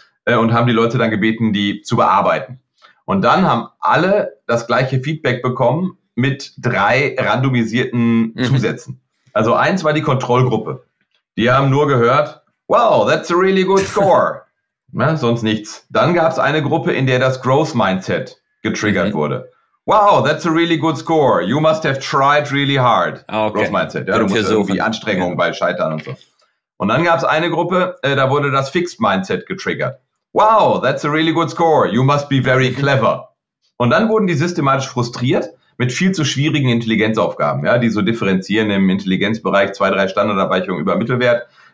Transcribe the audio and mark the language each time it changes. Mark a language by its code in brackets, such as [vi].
[de] Und haben die Leute dann gebeten, die zu bearbeiten. Und dann haben alle das gleiche Feedback bekommen mit drei randomisierten Zusätzen. Also eins war die Kontrollgruppe. Die haben nur gehört, [en] wow, that's a really good score. [de] Na, sonst nichts. Dann gab es eine Gruppe, in der das Growth Mindset getriggert wurde. [en] Wow, that's a really good score. You must have tried really hard. Growth Mindset. [de] Ja, du musst irgendwie Anstrengungen bei Scheitern und so. Und dann gab es eine Gruppe, da wurde das Fixed Mindset getriggert. [en] Wow, that's a really good score. You must be very clever. [de] Und dann wurden die systematisch frustriert, mit viel zu schwierigen Intelligenzaufgaben, ja, die so differenzieren im Intelligenzbereich 2-3 Standardabweichungen über Mittelwert.